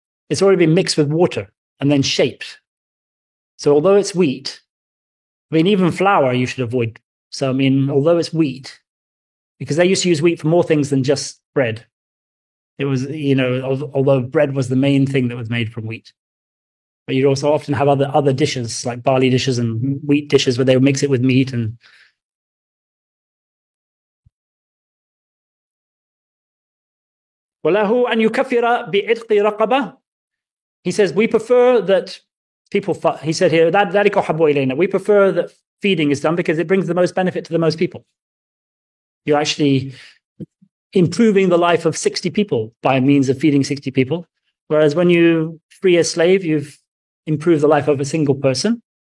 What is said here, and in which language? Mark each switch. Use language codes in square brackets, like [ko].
[en] It's already been mixed with water and then shaped. So although it's wheat, I mean, even flour you should avoid. So, I mean, although it's wheat, because they used to use wheat for more things than just bread. It was, you know, although bread was the main thing that was made from wheat. But you'd also often have other dishes, like barley dishes and wheat dishes, where they would mix it with meat. [ar] And وَلَهُ أَنْ يُكَفِّرَ بِعِدْقِ رَقَبَةً. [en] He says, we prefer that people, he said here, [ar] ذَلِكَ حَبُّ إِلَيْنَا. [en] We prefer that feeding is done because it brings the most benefit to the most people. You're actually improving the life of 60 people by means of feeding 60 people. Whereas when you free a slave, you've improved the life of a single person.